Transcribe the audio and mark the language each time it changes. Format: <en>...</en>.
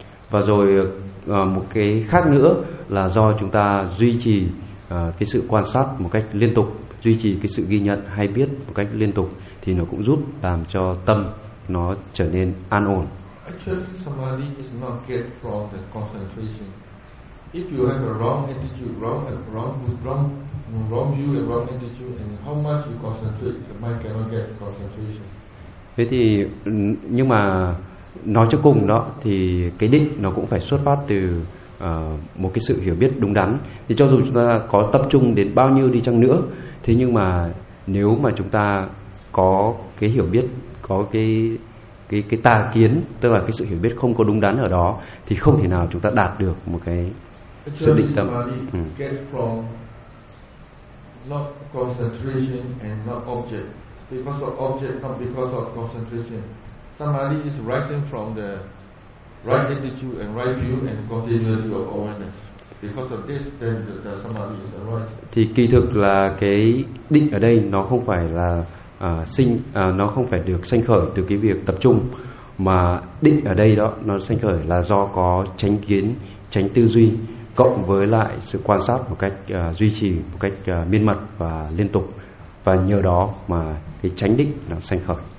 <vi>Và rồi một cái khác nữa là do chúng ta duy trì cái sự quan sát một cách liên tục, duy trì cái sự ghi nhận hay biết một cách liên tục thì nó cũng giúp làm cho tâm nó trở nên an ổn.</vi> <en>Actually, samadhi is not get from the concentration. If you have a wrong attitude, wrong view and wrong attitude, and how much you concentrate, the mind cannot get concentration.</en> <vi>Thế thì nhưng mà nói cho cùng đó thì cái định nó cũng phải xuất phát từ một cái sự hiểu biết đúng đắn. Thì cho dù chúng ta có tập trung đến bao nhiêu đi chăng nữa, thế nhưng mà nếu mà chúng ta có cái hiểu biết, có cái tà kiến, tức là cái sự hiểu biết không có đúng đắn ở đó, thì không thể nào chúng ta đạt được một cái sự định tâm.</vi> <en>Get from not concentration and not object. Because of object, not because of concentration. Samadhi is rising from the right attitude and right view and continuity of awareness. Because of this, then the samadhi is arising.</en> <vi>Thì kỳ thực là cái định ở đây nó không phải là nó không phải được sanh khởi từ cái việc tập trung, mà định ở đây đó nó sanh khởi là do có chánh kiến, chánh tư duy cộng với lại sự quan sát một cách duy trì một cách miên mật và liên tục, và nhờ đó mà cái chánh định nó sanh khởi.</vi>